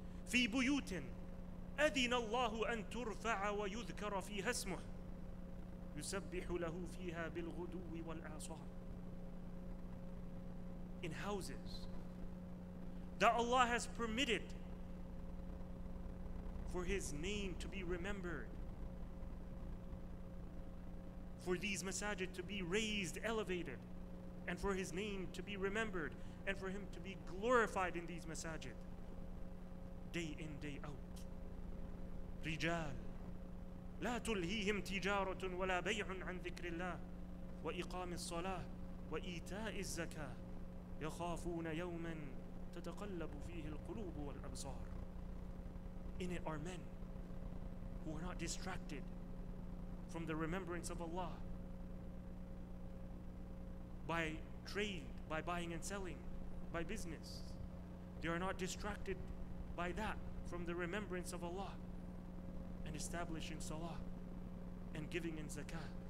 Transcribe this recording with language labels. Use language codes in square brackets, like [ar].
[ar] فِي بُيُوتٍ أَذِنَ اللَّهُ أَن تُرْفَعَ وَيُذْكَرَ فِيهَا اسْمُهُ يُسَبِّحُ لَهُ فِيهَا بِالْغُدُوِّ وَالْآصَالِ, [en] in houses that Allah has permitted for His name to be remembered, for these masajid to be raised, elevated, and for His name to be remembered, and for Him to be glorified in these masajid, day in, day out. [ar] رجال لا تلهيهم تجارة ولا بيع عن ذكر الله وإقام الصلاة وإيتاء الزكاة يخافون يوما تتقلب فيه القلوب والأبصار. [en] In it are men who are not distracted from the remembrance of Allah by trade, by buying and selling, by business. They are not distracted by that, from the remembrance of Allah and establishing salah and giving in zakah.